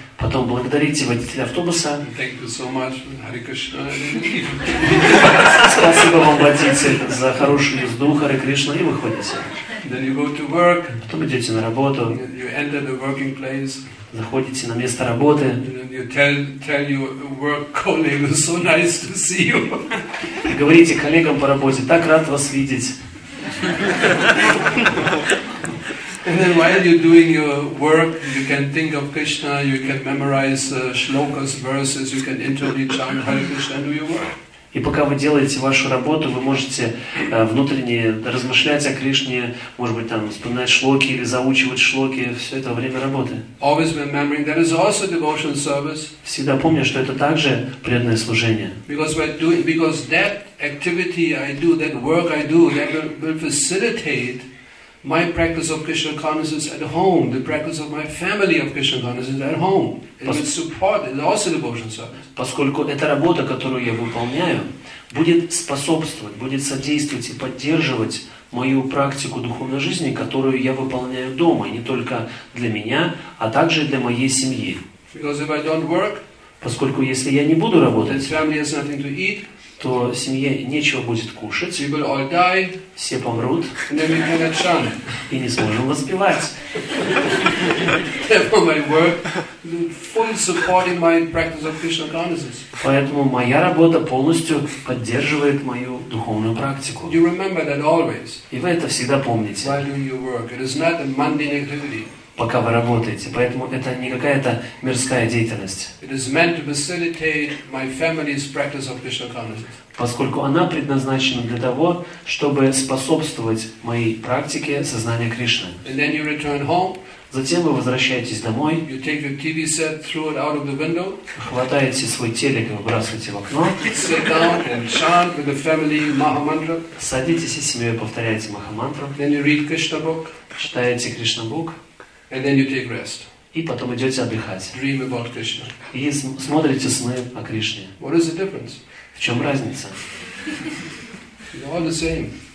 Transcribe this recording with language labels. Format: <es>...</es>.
<ru>Потом благодарите водителя автобуса.</ru> <en>Thank you so much, Hare Krishna.</en> <ru>Спасибо вам, водитель, за хорошую езду, Hare Krishna, и выходите.</ru> <en>Then you go to work.</en> <ru>Потом идете на работу.</ru> <en>You enter the working place.</en> <ru>Заходите на место работы.</ru> <en>You tell your work colleagues, so nice to see you.</en> <ru>И говорите коллегам по работе, так рад вас видеть.</ru> <en>And then while you're doing your work, you can think of Krishna, you can memorize shlokas, verses, you can internally chant Hare Krishna and do your work.</en> <ru>И пока вы делаете вашу работу, вы можете внутренне размышлять о Кришне, может быть, там, вспоминать шлоки или заучивать шлоки, все это время работы.</ru> <en>Always remembering that is also devotional service.</en> <ru>Всегда помню, что это также преданное служение.</ru> <en>Because that activity I do, that work I do, that will facilitate my practice of Krishna consciousness at home, the practice of my family of Krishna consciousness at home, it will support it also devotional service.</en> <ru>Поскольку эта работа, которую я выполняю, будет способствовать, будет содействовать и поддерживать мою практику духовной жизни, которую я выполняю дома, не только для меня, а также для моей семьи.</ru> <en>Because if I don't work,</en> <ru>поскольку если я не буду работать,</ru> <en>then family has nothing to eat.</en> <ru>То семье нечего будет кушать.</ru> <en>We will all die,</en> <ru>все помрут.</ru> <en>And then we cannot chant.</en> <ru>И не сможем воспевать.</ru> <en>Therefore, my work fully supporting my practice of Krishna consciousness.</en> <ru>Поэтому моя работа полностью поддерживает мою духовную практику.</ru> <en>You remember that always.</en> <ru>И вы это всегда помните.</ru> <en>While doing your work, it is not a mundane activity.</en> <ru>Пока вы работаете, поэтому это не какая-то мирская деятельность.</ru> <en>It is meant to facilitate my family's practice of Krishna consciousness.</en> <ru>Поскольку она предназначена для того, чтобы способствовать моей практике сознания Кришны.</ru> <en>And then you return home.</en> <ru>Затем вы возвращаетесь домой.</ru> <en>You take your TV set, throw it out of the window.</en> <ru>Хватаете свой телек и выбрасываете в окно.</ru> <en>Sit down and chant with the family Mahamantra.</en> <ru>Садитесь и с семьей повторяете Махамантру.</ru> <en>Then you read Krishna book.</en> <ru>Читаете Кришна бук.</ru> <en>And then you take rest.</en> <ru>И потом идете отдыхать.</ru> <en>Dream about Krishna.</en> <ru>И смотрите сны о Кришне.</ru> <en>What is the difference?</en> <ru>В чем разница?</ru> <en>It's all the same.</en>